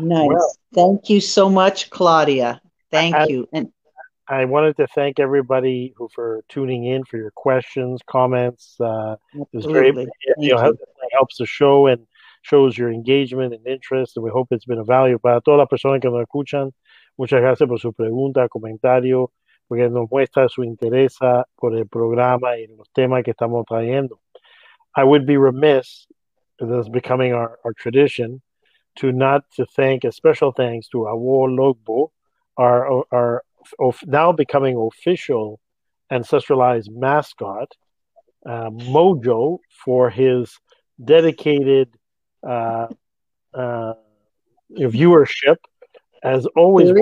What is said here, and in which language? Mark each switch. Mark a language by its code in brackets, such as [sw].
[en] Nice. Well, Thank you so much, Claudia. Thank you. And I wanted to thank everybody who for tuning in for your questions, comments. It was very, absolutely. Thank you. it helps the show and shows your engagement and interest, and we hope it's been of value. [es] Para toda la persona que nos escuchan, muchas gracias por su pregunta, comentario, porque nos muestra su interés por el programa y los temas que estamos trayendo. [en] I would be remiss, this is becoming our tradition, to not to thank a special thanks to Awo Logbo, our of now becoming official ancestralized mascot, Mojo, for his dedicated viewership, as always